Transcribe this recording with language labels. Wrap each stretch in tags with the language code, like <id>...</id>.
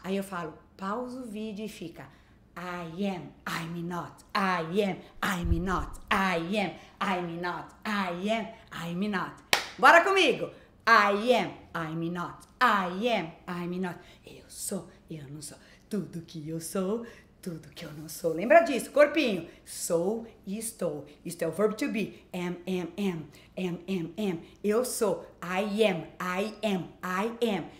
<pt>Aí eu falo, pausa o vídeo e fica...</pt> <en>I am, I'm not, I am, I'm not, I am, I'm not, I am, I'm not.</en> <pt>Bora comigo.</pt> <en>I am, I'm not, I am, I'm not.</en> <pt>Eu sou, eu não sou, tudo que eu sou, tudo que eu não sou. Lembra disso, corpinho. Sou e estou. Isto é o verbo to be.</pt> <en>Am, am, am, am, am, am.</en> <pt>Eu sou,</pt> <en>I am, I am, I am.</en>